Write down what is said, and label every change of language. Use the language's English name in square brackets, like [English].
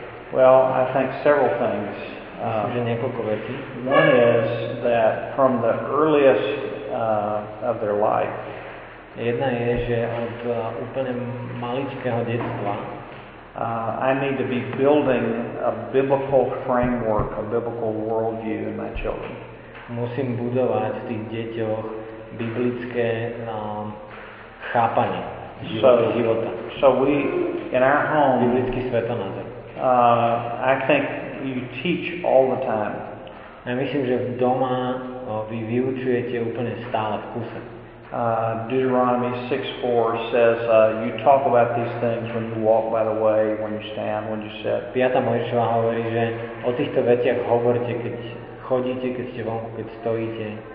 [English] Well, I think several things. One is that from the earliest of their life, [Slovak] jedna je, že od úplne maličkého detstva, [English] I need to be building a biblical framework, a biblical worldview in my children. [Slovak] Musím budovať v tých deťoch biblické chápanie života. [English] So we, in our home, [Slovak] biblický svetonázor. [English] I think you teach all the time. [Slovak] Ja myslím, že doma vy vyučujete úplne stále v kuse. [English] Deuteronomy 6:4 says you talk about these things when you walk by the way, when you stand, when you sit. [Slovak] 5. Mojžišova hovorí, že o týchto veciach hovorte, keď chodíte, keď ste vonku, keď stojíte.